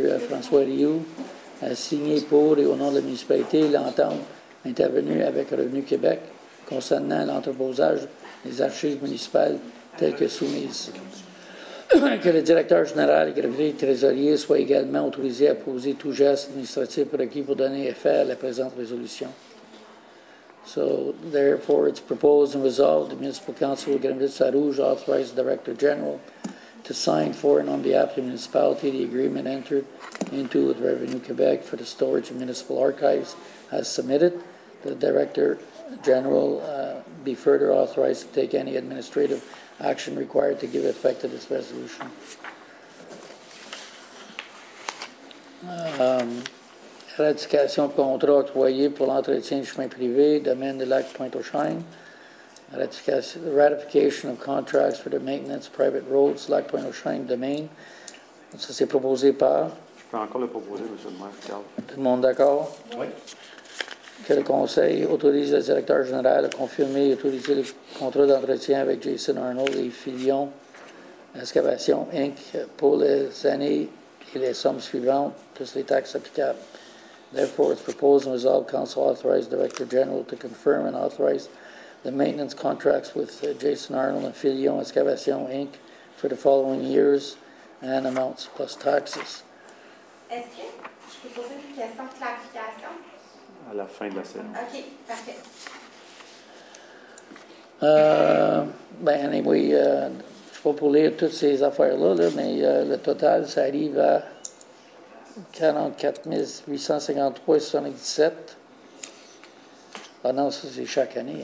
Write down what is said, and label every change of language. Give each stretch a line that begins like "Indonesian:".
French: François Rioux, à signer pour et au nom de la municipalité l'entente intervenue avec Revenu Québec concernant l'entreposage des archives municipales telles que soumises. Que le directeur général et greffier trésorier soient également autorisés à poser tout geste administratif requis pour donner effet à la présente résolution.
English: So, therefore, it's proposed and resolved the Municipal Council of Grimsa-Rouge authorized the Director General to sign for and on behalf of the municipality the agreement entered into with Revenue Quebec for the storage of municipal archives as submitted. The Director General be further authorized to take any administrative action required to give effect to this resolution.
French: Ratification de contrat octroyé pour l'entretien du chemin privé, domaine de lac Pointe-aux-Chênes.
English: Ratification of contracts for the maintenance of private roads, lac Pointe-aux-Chênes domaine.
French: Ça, c'est proposé par? Je peux encore le proposer, M. le maire. Tout le monde d'accord? Oui. Que le conseil autorise le directeur général à confirmer et autoriser le contrat d'entretien avec Jason Arnold et Fillion Excavation Inc. pour les années et les sommes suivantes, plus les taxes applicables.
English: Therefore, it's proposed and resolved Council authorize the Director General to confirm and authorize the maintenance contracts with Jason Arnold and Fillion Excavation Inc. for the following years and amounts plus taxes.
French: Est-ce que je peux poser une question de clarification? À la fin de la séance. OK, parfait. Je ne peux pas lire toutes ces affaires-là, là, mais le total, ça arrive à 44 853,77. Ah non, ça, c'est chaque année.